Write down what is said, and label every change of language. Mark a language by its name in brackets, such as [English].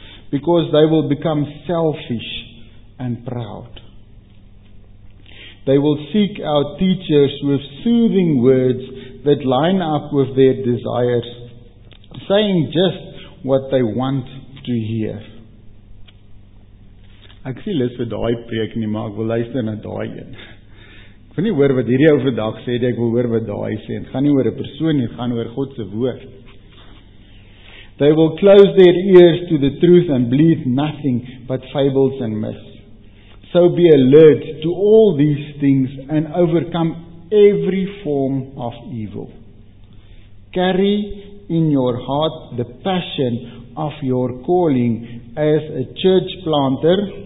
[English] Because they will become selfish and proud. They will seek out teachers with soothing words that line up with their desires, saying just what they want to hear. [Afrikaans] Ek sien lus vir daai preek nie, maar ek wil luister na daai een. Ek wil nie hoor wat hierdie ou vandag sê, ek wil hoor wat daai sê. Het gaan nie oor 'n persoon nie, het gaan oor God se woord. [English] They will close their ears to the truth and believe nothing but fables and myths. So be alert to all these things and overcome every form of evil. Carry in your heart the passion of your calling as a church planter.